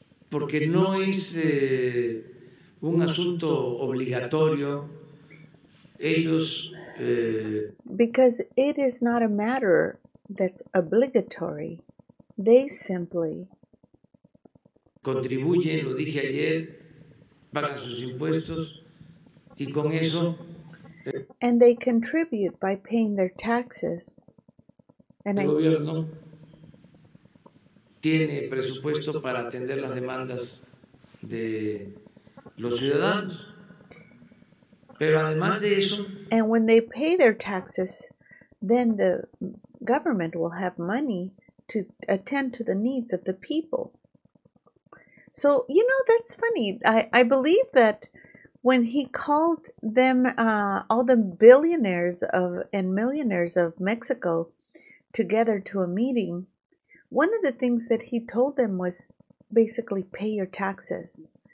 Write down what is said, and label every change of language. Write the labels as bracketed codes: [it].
[es] Porque no es un asunto obligatorio. Ellos [en] because it is not a matter that's obligatory. They simply [es] contribuyen, lo dije ayer, pagan sus impuestos y con eso [en] and they contribute by paying their taxes. And [es] el gobierno tiene presupuesto para atender las demandas de los ciudadanos. Pero además de eso, [en] and when they pay their taxes, then the government will have money to attend to the needs of the people. So, you know, that's funny. I believe that when he called them all the billionaires of and millionaires of Mexico together to a meeting, one of the things that he told them was basically pay your taxes.